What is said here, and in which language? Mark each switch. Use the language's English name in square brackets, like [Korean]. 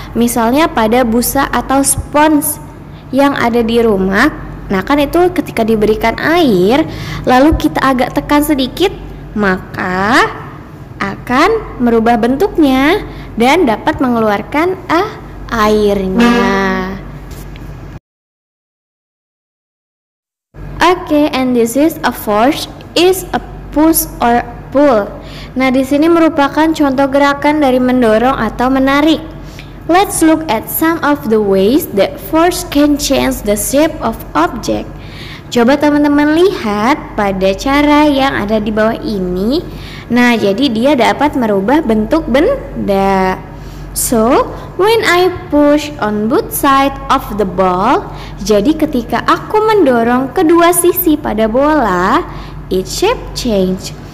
[Indonesian] Misalnya pada busa atau spons yang ada di rumah. Nah, kan itu ketika diberikan air, lalu kita agak tekan sedikit, maka akan merubah bentuknya dan dapat mengeluarkan airnya. [English] Okay, and this is a force, is a push or pull. [Indonesian] Nah, di sini merupakan contoh gerakan dari mendorong atau menarik. [English] Let's look at some of the ways that force can change the shape of object. [Indonesian] Coba teman-teman lihat pada cara yang ada di bawah ini. Nah, jadi dia dapat merubah bentuk benda. [English] So, when I push on both sides of the ball, jadi ketika aku mendorong kedua sisi pada bola, its shape change.